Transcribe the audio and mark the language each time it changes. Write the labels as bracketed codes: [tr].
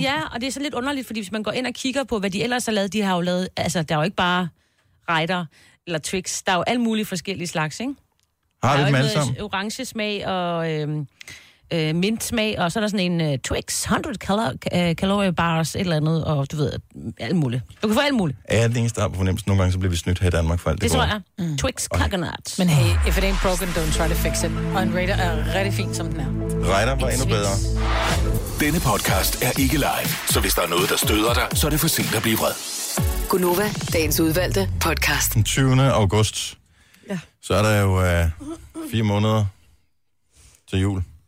[da] Ja, og det er så lidt underligt, fordi hvis man går ind og kigger på, hvad de ellers har lavet, de har jo lavet, altså der er jo ikke bare Raider eller Twix, der er jo alt muligt forskellige slags, ikke? Har det dem alle sammen? Der er jo ikke noget orangesmag og... mintsmag, og så er der sådan en Twix 100 calorie bars, et eller andet, og du ved, alt muligt. Du kan få alt muligt. Er det eneste, der er på fornemmelsen? Nogle gange så bliver vi snydt her i Danmark for alt det gode. Det tror jeg. Mm. Twix coconut. [en] Men hey, if it ain't broken, don't try to fix it. [da] Og en Raider er rigtig fin, som den er. Raider var endnu bedre. Denne podcast er ikke live, så hvis der er noget, der støder dig, så er det for sent at blive vred. Gunova, dagens udvalgte podcast. Den 20. august, så er der jo 4 måneder til jul.